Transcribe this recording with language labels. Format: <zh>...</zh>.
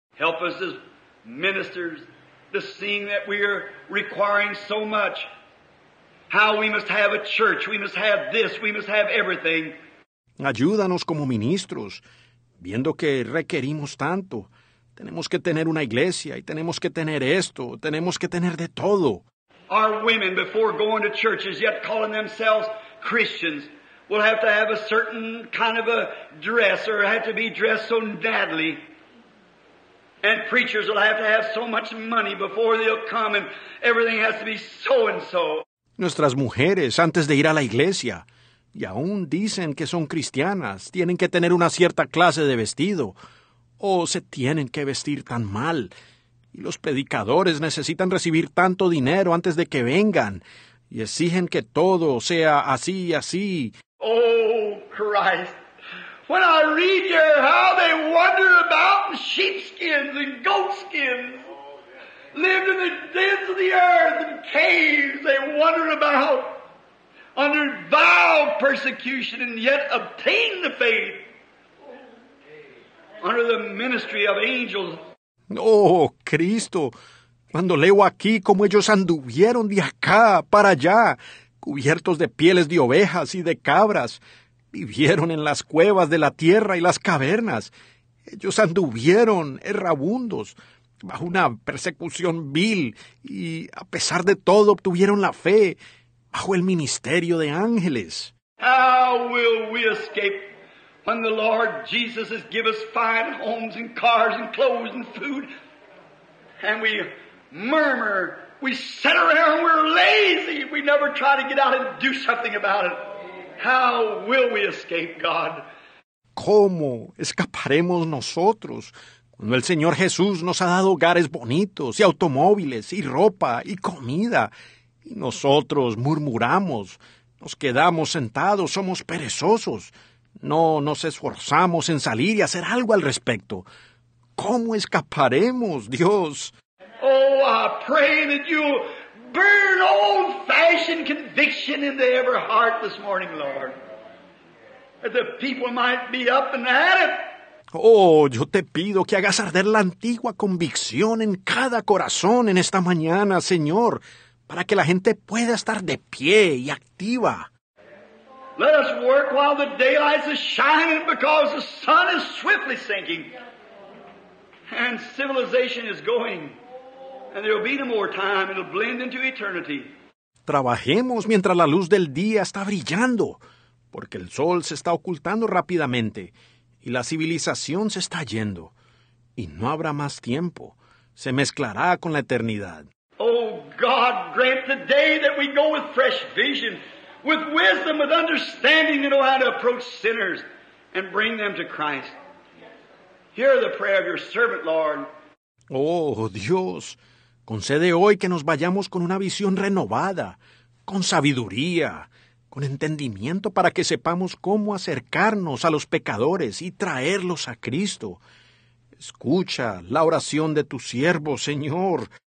<en>Help us as ministers to see that we are requiring so much. How we must have a church, we must have this, we must have everything.</en> <es>Ayúdanos como ministros, viendo que requerimos tanto. Tenemos que tener una iglesia, y tenemos que tener esto, tenemos que tener de todo.</es> <en>Our women, before going to churches, yet calling themselves Christians, will have to have a certain kind of a dress, or have to be dressed so badly. And preachers will have to have so much money before they'll come, and everything has to be so-and-so.</en> <es>Nuestras mujeres, antes de ir a la iglesia, y aún dicen que son cristianas, tienen que tener una cierta clase de vestido, o se tienen que vestir tan mal. Y los predicadores necesitan recibir tanto dinero antes de que vengan, y exigen que todo sea así y así.</es> <en>Oh, Christ, when I read here how they wander about in sheepskins and goatskins, lived in the dens of the earth and caves, they wandered about under vile persecution and yet obtained the faith under the ministry of angels.</en> <es>Oh, Cristo, cuando leo aquí cómo ellos anduvieron de acá para allá, cubiertos de pieles de ovejas y de cabras, vivieron en las cuevas de la tierra y las cavernas. Ellos anduvieron errabundos, bajo una persecución vil, y a pesar de todo obtuvieron la fe bajo el ministerio de ángeles.</es> <en>How will we escape when the Lord Jesus has given us fine homes and cars and clothes and food, and we murmur, we sit around, we're lazy, we never try to get out and do something about it? How will we escape, God?</en> <es>¿Cómo escaparemos nosotros cuando el Señor Jesús nos ha dado hogares bonitos, y automóviles, y ropa, y comida, y nosotros murmuramos, nos quedamos sentados, somos perezosos, no nos esforzamos en salir y hacer algo al respecto? ¿Cómo escaparemos, Dios?</es> <en>Oh, I pray that you'll burn old-fashioned conviction into every heart this morning, Lord, that the people might be up and at it.</en> <es>Oh, yo te pido que hagas arder la antigua convicción en cada corazón en esta mañana, Señor, para que la gente pueda estar de pie y activa.</es> <en>Let us work while the daylight is shining, because the sun is swiftly sinking, and civilization is going, and there will be no more time, it will blend into eternity.</en> <es>Trabajemos mientras la luz del día está brillando, porque el sol se está ocultando rápidamente, y la civilización se está yendo, y no habrá más tiempo. Se mezclará con la eternidad.</es> <en>Oh, God, grant the day that we go with fresh vision, with wisdom, with understanding, to know how to approach sinners and bring them to Christ. Hear the prayer of your servant, Lord.</en> <es>Oh, Dios, concede hoy que nos vayamos con una visión renovada, con sabiduría, con entendimiento, para que sepamos cómo acercarnos a los pecadores y traerlos a Cristo. Escucha la oración de tu siervo, Señor.</es>